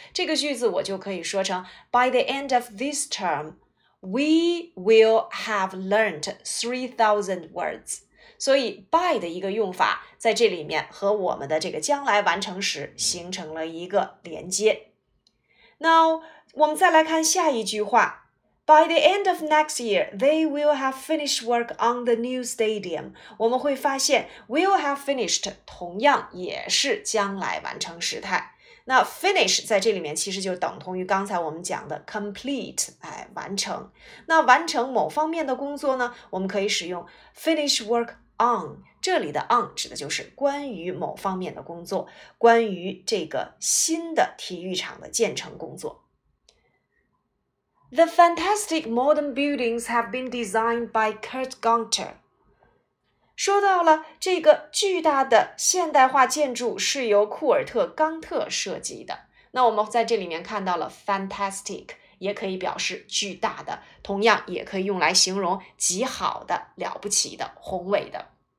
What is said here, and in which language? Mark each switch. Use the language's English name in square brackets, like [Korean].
[Chinese] 这个句子我就可以说成 [English] by the end of this term, we will have learned 3000 words。 [Chinese] 所以 by 的一个用法在这里面和我们的这个将来完成时形成了一个连接。 Now, 我们再来看下一句话。 [English] By the end of next year, they will have finished work on the new stadium. [Chinese] 我们会发现 will have finished 同样也是将来完成时态。那 finish 在这里面其实就等同于刚才我们讲的 complete, 哎，完成。那完成某方面的工作呢，我们可以使用 finish work on。这里的 on 指的就是关于某方面的工作，关于这个新的体育场的建成工作。 [English] The fantastic modern buildings have been designed by Kurt Gunter. [Chinese] 说到了这个巨大的现代化建筑是由库尔特·冈特设计的。那我们在这里面看到了 fantastic 也可以表示巨大的，同样也可以用来形容极好的、了不起的、宏伟的。